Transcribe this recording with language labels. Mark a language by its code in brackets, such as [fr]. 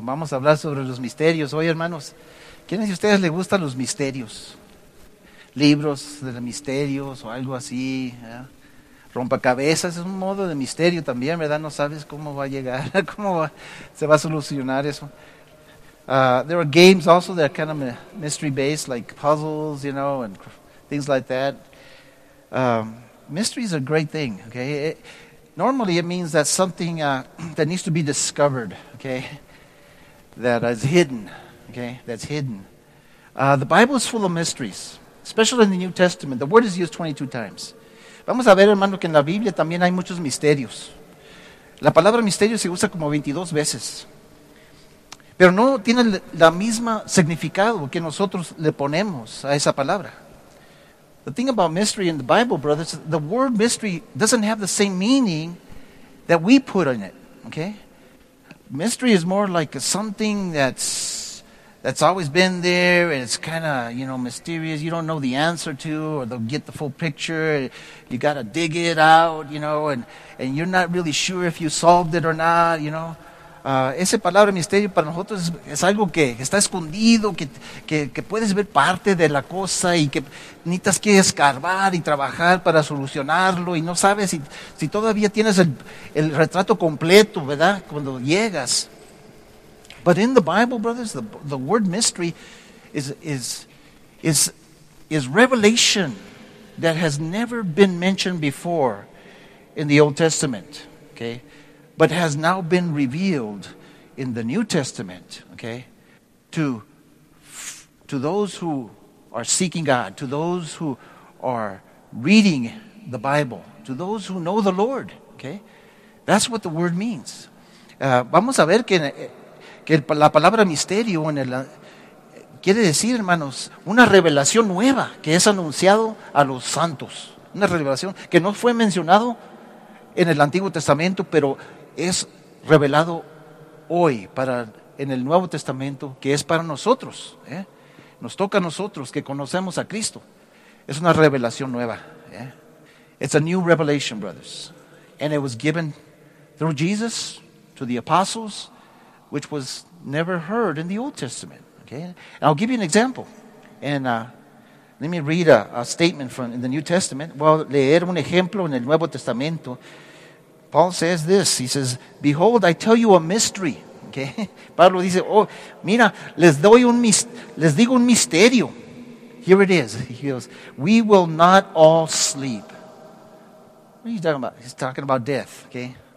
[es] Vamos a hablar sobre los misterios hoy, hermanos. ¿Quiénes de ustedes les gustan los misterios? Libros de misterios o algo así. Yeah. Rompecabezas es un modo de misterio también, ¿verdad? No sabes cómo va a llegar, cómo va, se va a solucionar eso. [en] There are games also that are kind of mystery-based, like puzzles, you know, and things like that. Mystery is a great thing, okay? Normally it means that something that needs to be discovered, okay? That is hidden, okay? That's hidden. The Bible is full of mysteries, especially in the New Testament. The word is used 22 times. [es] Vamos a ver, hermano, que en la Biblia también hay muchos misterios. La palabra misterio se usa como 22 veces. Pero no tiene la misma significado que nosotros le ponemos a esa palabra. [en] The thing about mystery in the Bible, brothers, the word mystery doesn't have the same meaning that we put on it, okay? Mystery is more like something that's always been there, and it's kind of, you know, mysterious. You don't know the answer to, or they'll get the full picture. You got to dig it out, you know, and you're not really sure if you solved it or not, you know. Esa palabra misterio para nosotros es algo que está escondido, que puedes ver parte de la cosa y que necesitas que escarbar y trabajar para solucionarlo y no sabes si todavía tienes el retrato completo, ¿verdad? Cuando llegas. But in the Bible, brothers, the word mystery is revelation that has never been mentioned before in the Old Testament, okay? But has now been revealed in the New Testament, okay, to those who are seeking God, to those who are reading the Bible, to those who know the Lord, okay? That's what the word means. [es] Vamos a ver que la palabra misterio en el, quiere decir, hermanos, una revelación nueva que es anunciado a los santos. Una revelación que no fue mencionado en el Antiguo Testamento, pero es revelado hoy para en el Nuevo Testamento, que es para nosotros, ¿eh? Nos toca a nosotros que conocemos a Cristo. Es una revelación nueva, ¿eh? [en] It's a new revelation, brothers. And it was given through Jesus to the apostles, which was never heard in the Old Testament. Okay? And I'll give you an example. And let me read a statement from in the New Testament. [es] Well, leer un ejemplo en el Nuevo Testamento. [en] Paul says this, he says, behold, I tell you a mystery. [es] Okay? Pablo dice, oh, mira, les digo un misterio. [en] Here it is. He goes, we will not all sleep. What are you talking about? He's talking about death. Okay?